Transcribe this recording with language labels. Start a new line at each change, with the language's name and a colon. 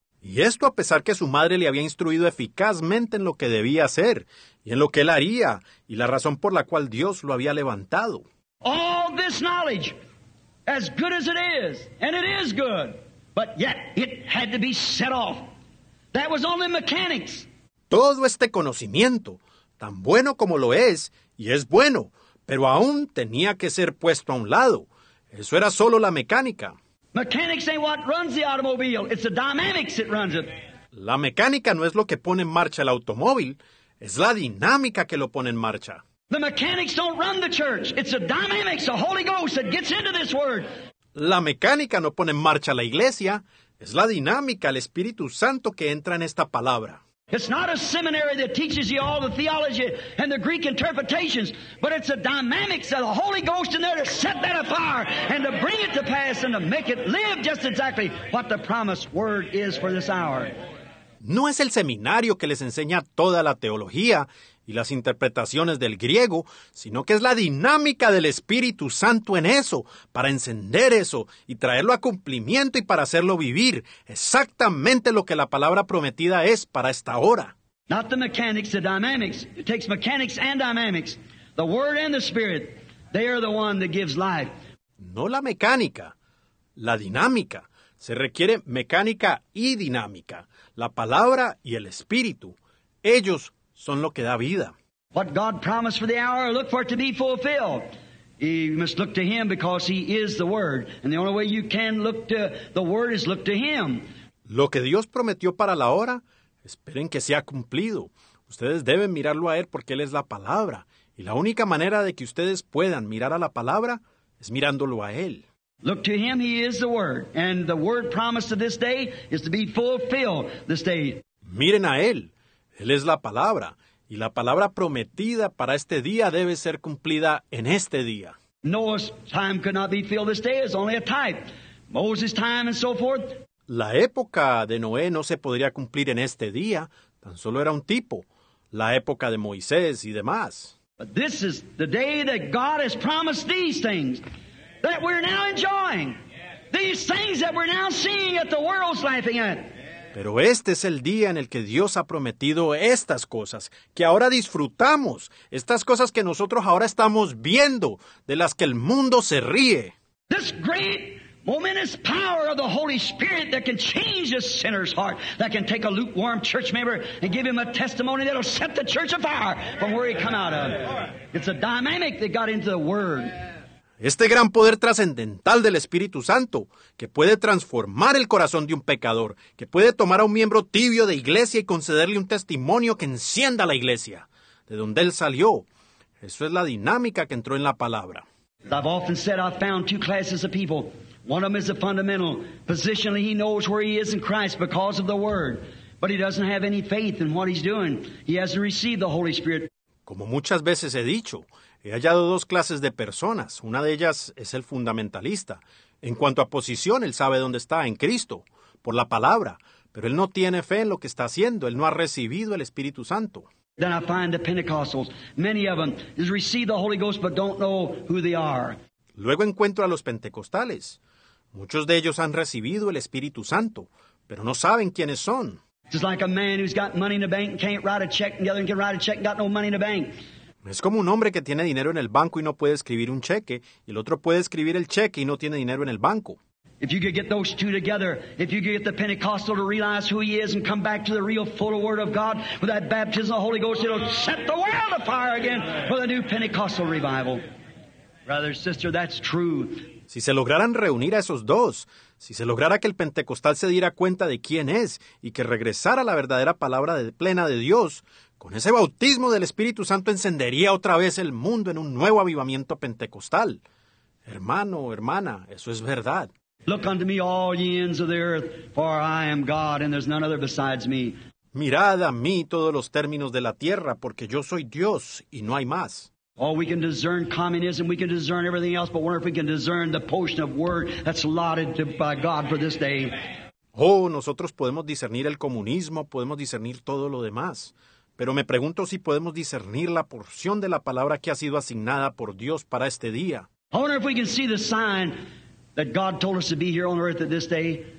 Spanish: Y esto a pesar que su madre le había instruido eficazmente en lo que debía hacer y en lo que él haría y la razón por la cual Dios lo había levantado.
English: All this knowledge, as good as it is, and it is good, but yet it had to be set off. That was only mechanics.
Spanish: Todo este conocimiento, tan bueno como lo es, y es bueno, pero aún tenía que ser puesto a un lado. Eso era solo la mecánica.
English: Mechanics ain't what runs the automobile. It's the dynamics that runs it.
Spanish: La mecánica no es lo que pone en marcha el automóvil, es la dinámica que lo pone en marcha.
English: The mechanics don't run the church. It's the dynamics, the Holy Ghost that gets into this word.
Spanish: La mecánica no pone en marcha la iglesia, es la dinámica, el Espíritu Santo que entra en esta palabra.
English: It's not a seminary that teaches you all the theology and the Greek interpretations, but it's the dynamics of the Holy Ghost in there to set that afire and to bring it to pass and to make it live just exactly what the promised word is for this hour.
Spanish: No es el seminario que les enseña toda la teología y las interpretaciones del griego, sino que es la dinámica del Espíritu Santo en eso, para encender eso y traerlo a cumplimiento y para hacerlo vivir exactamente lo que la palabra prometida es para esta hora.
English: Not the mechanics, the dynamics. It takes mechanics and dynamics. The Word and the Spirit, they are the one that gives life.
Spanish: No la mecánica, la dinámica. Se requiere mecánica y dinámica. La palabra y el Espíritu, ellos son lo que da vida.
English: What God promised for the hour, look for it to be fulfilled. You must look to Him because He is the Word. And the only way you can look to the Word is look to Him.
Spanish: Lo que Dios prometió para la hora, esperen que sea cumplido. Ustedes deben mirarlo a Él porque Él es la palabra. Y la única manera de que ustedes puedan mirar a la palabra es mirándolo a Él.
English: Look to Him, He is the Word. And the Word promised to this day is to be fulfilled this day.
Spanish: Miren a Él. Él es la palabra, y la palabra prometida para este día debe ser cumplida en este día.
English: Noah's time could not be filled this day, it's only a type. Moses' time and so forth.
Spanish: La época de Noé no se podría cumplir en este día, tan solo era un tipo. La época de Moisés y demás.
English: But this is the day that God has promised these things that we're now enjoying. These things that we're now seeing that the world's laughing at.
Spanish: Pero este es el día en el que Dios ha prometido estas cosas, que ahora disfrutamos, estas cosas que nosotros ahora estamos viendo, de las que el mundo se ríe.
English: This great, momentous power of the Holy Spirit that can change a sinner's heart, that can take a lukewarm church member and give him a testimony that'll set the church afire from where he come out of. It's a dynamic that got into the Word.
Spanish: Este gran poder trascendental del Espíritu Santo, que puede transformar el corazón de un pecador, que puede tomar a un miembro tibio de iglesia y concederle un testimonio que encienda la iglesia, de donde él salió. Eso es la dinámica que entró en la palabra.
English: I've often said I've found two classes of people. One of them is the fundamental. Positionally, he knows where he is in Christ because of the Word. But he doesn't have any faith in what he's doing. He hasn't received the Holy Spirit.
Spanish: Como muchas veces he dicho, he hallado dos clases de personas. Una de ellas es el fundamentalista. En cuanto a posición, él sabe dónde está, en Cristo, por la palabra. Pero él no tiene fe en lo que está haciendo. Él no ha recibido el Espíritu Santo.
English: Then I find the Pentecostals. Many of them have received the Holy Ghost, but don't know who they are.
Spanish: Luego encuentro a los pentecostales. Muchos de ellos han recibido el Espíritu Santo, pero no saben quiénes son.
English: Just like a man who's got money in the bank and can't write a check, and the other one can write a check and got no money in the bank.
Spanish: Es como un hombre que tiene dinero en el banco y no puede escribir un cheque, y el otro puede escribir el cheque y no tiene dinero en el banco.
English: If you could get those two together, if you could get the Pentecostal to realize who he is and come back to the real full word of God with that baptism of the Holy Ghost, it'll set the world afire again for the new Pentecostal revival. Brother, sister, that's true.
Spanish: Si se lograran reunir a esos dos, si se lograra que el pentecostal se diera cuenta de quién es y que regresara la verdadera palabra plena de Dios, con ese bautismo del Espíritu Santo encendería otra vez el mundo en un nuevo avivamiento pentecostal. Hermano, hermana, eso es verdad.
English: Look unto me, all ye ends of the earth, for I am God, and there's none other besides me.
Spanish: Mirad a mí todos los términos de la tierra, porque yo soy Dios y no hay más.
English: Oh, we can discern communism, we can discern everything else, but wonder if we can discern the portion of word that's allotted by God for this day.
Spanish: Oh, nosotros podemos discernir el comunismo, podemos discernir todo lo demás. pero me pregunto si podemos discernir la porción de la palabra que ha sido asignada por Dios para este día.
English: I wonder if we can see the sign that God told us to be here on earth at this day.